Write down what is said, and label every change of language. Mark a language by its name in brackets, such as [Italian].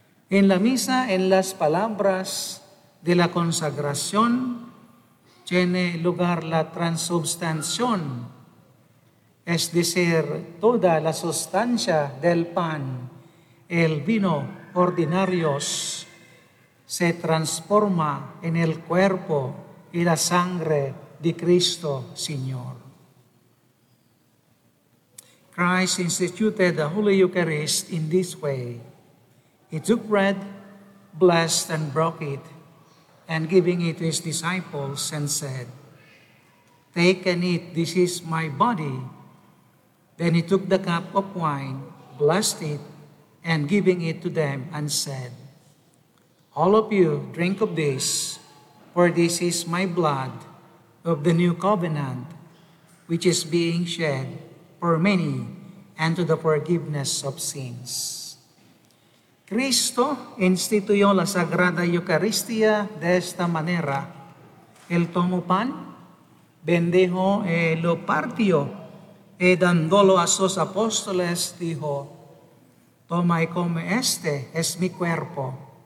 [Spanish] En la misa, en las palabras de la consagración, tiene lugar la transubstanción, es decir, toda la sustancia del pan, el vino ordinarios, se transforma en el cuerpo y la sangre de Cristo Señor. [English] Christ instituted the Holy Eucharist in this way. He took bread, blessed and broke it, and giving it to his disciples, and said, "Take and eat, this is my body." Then he took the cup of wine, blessed it, and giving it to them, and said, "All of you, drink of this, for this is my blood of the new covenant, which is being shed for many and to the forgiveness of sins." [Spanish] Cristo instituyó la Sagrada Eucaristía de esta manera. Él tomó pan, bendijo y lo partió, y dándolo a sus apóstoles, dijo, "Toma y come, este es mi cuerpo."